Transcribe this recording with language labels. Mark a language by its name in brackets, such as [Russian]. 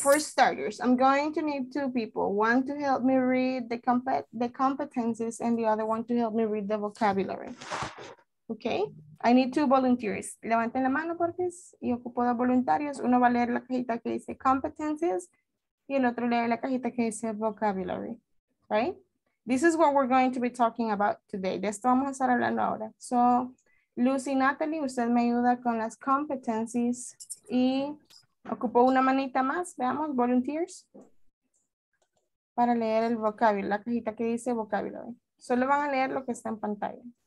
[English] For starters, I'm going to need two people. One to help me read the competencies and the other one to help me read the vocabulary. Okay, I need two volunteers. [Spanish] Levanten la mano porque y ocupo dos voluntarios. Uno va a leer la cajita que dice competencies y el otro lee la cajita que dice vocabulary, right? [English] This is what we're going to be talking about today. [Spanish] De esto vamos a estar hablando ahora. So, Lucy, Natalie, usted me ayuda con las competencies y... Ocupo una manita más, veamos, volunteers, para leer el vocabulario, la cajita que dice vocabulario. Solo van a leer lo que está en pantalla.